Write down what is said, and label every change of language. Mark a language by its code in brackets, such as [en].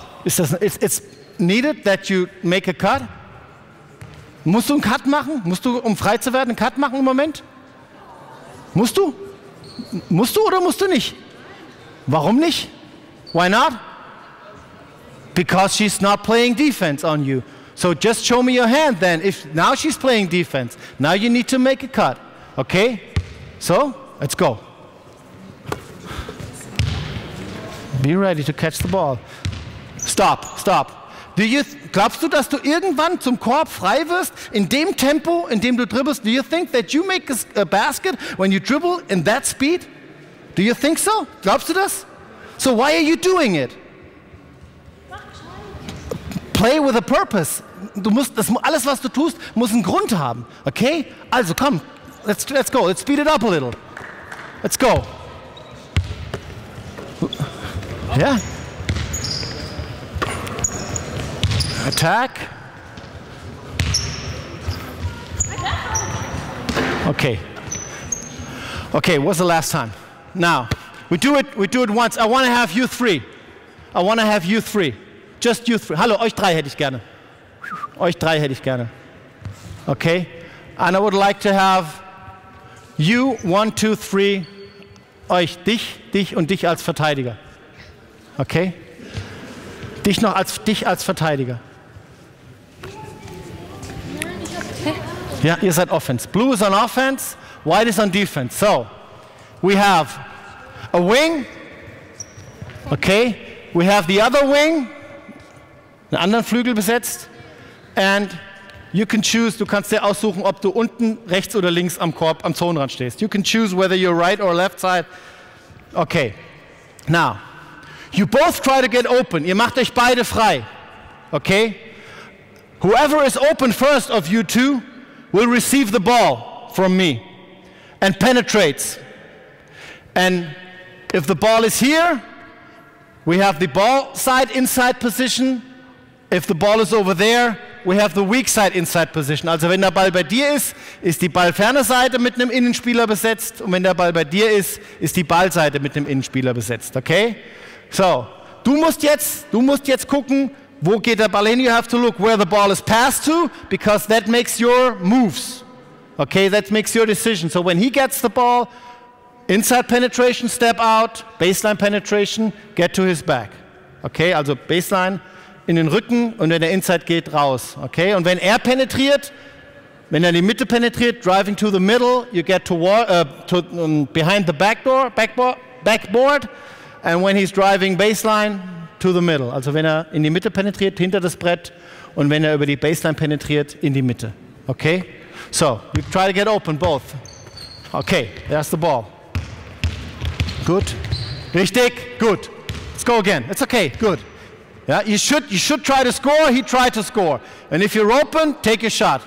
[en] It's needed that you make a cut? [de] Musst du einen Cut machen? Musst du, um frei zu werden, einen Cut machen im Moment? Musst du? Musst du oder musst du nicht? Warum nicht? [en] Why not? Because she's not playing defense on you. So just show me your hand then. If now she's playing defense, now you need to make a cut. Okay? So, let's go. Be ready to catch the ball. [de] Stop. Glaubst du, dass du irgendwann zum Korb frei wirst in dem Tempo, in dem du dribbelst? [en] Do you think that you make a basket when you dribble in that speed? Do you think so? [de] Glaubst du das? [en] So why are you doing it? Play with a purpose. [de] Du musst das, alles, was du tust, muss einen Grund haben. Okay? Also, komm. [en] Let's go. Let's speed it up a little. Let's go. Yeah. Attack. Okay. Okay, what's the last time? Now, we do it once. I want to have you three. I want to have you three. Just you three. [de] Hallo, euch drei hätte ich gerne. Euch drei hätte ich gerne. Okay? [en] And I would like to have you, one, two, three, [de] euch, dich, dich und dich als Verteidiger. [en] Okay? [de] Dich noch als, dich als Verteidiger. Ja, ihr seid Offense. [en] Blue is on offense, white is on defense. So, we have a wing. Okay? We have the other wing. [de] Einen anderen Flügel besetzt. [en] And you can choose, [de] du kannst dir aussuchen, ob du unten rechts oder links am Korb, am Zonenrand stehst. [en] You can choose whether you're right or left side. Okay. Now, you both try to get open. [de] Ihr macht euch beide frei. Okay? [en] Whoever is open first of you two will receive the ball from me and penetrates. And if the ball is here, we have the ball side inside position. If the ball is over there, we have the weak side inside position. [de] Also wenn der Ball bei dir ist, ist die ballferne Seite mit einem Innenspieler besetzt. Und wenn der Ball bei dir ist, ist die Ballseite mit einem Innenspieler besetzt. Okay? So, du musst jetzt gucken, wo geht der Ball hin? [en] You have to look where the ball is passed to, because that makes your moves. Okay, that makes your decision. So when he gets the ball, inside penetration, step out, baseline penetration, get to his back. [de] Okay, also baseline in den Rücken und wenn er inside geht, raus. Okay, und wenn er penetriert, wenn er in die Mitte penetriert, [en] driving to the middle, you get toward, behind the backboard, and when he's driving baseline, to the middle. [de] Also wenn er in die Mitte penetriert, hinter das Brett und wenn er über die Baseline penetriert, in die Mitte. Okay? [en] So, you try to get open, both. Okay, there's the ball. Good. Richtig, good. Let's go again. It's okay, good. Yeah, you should try to score, he tried to score. And if you're open, take your shot.